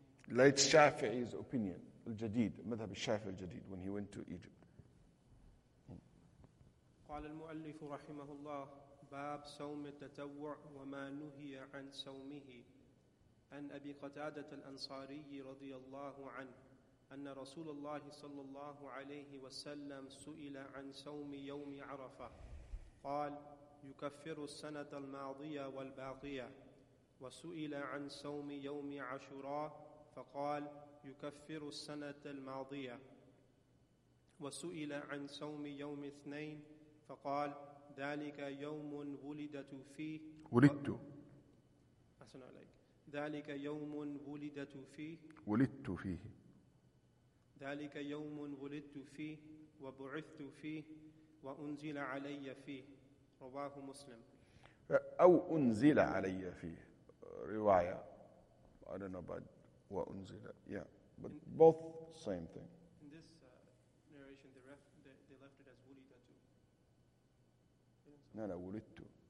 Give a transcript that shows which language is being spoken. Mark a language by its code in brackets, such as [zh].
[en] Late Shafi'i's opinion, al-Jadid, Madhab al-Shafi'i al-Jadid, when he went to Egypt. [ar] قال المؤلف رحمه الله باب صوم التطوع وما نهي عن صومه عن أبي قتادة الأنصاري رضي الله عنه أن رسول الله صلى الله عليه وسلم سئل عن صوم يوم عرفة قال يكفر السنة الماضية والباقية وسئل عن صوم يوم عاشوراء فقال يكفر السنة الماضية وسئل عن صوم يوم اثنين فقال ذلك يوم ولدت فيه ولدت أحسن عليك ذلك يوم ولدت فيه ولدت فيه ذلك يوم ولدت فيه وبعثت فيه وأنزل علي فيه رواه مسلم أو أنزل علي فيه رواية [en] I don't know about وأنزل yeah but in, both same thing in this narration they left it as ولدت no no ولدت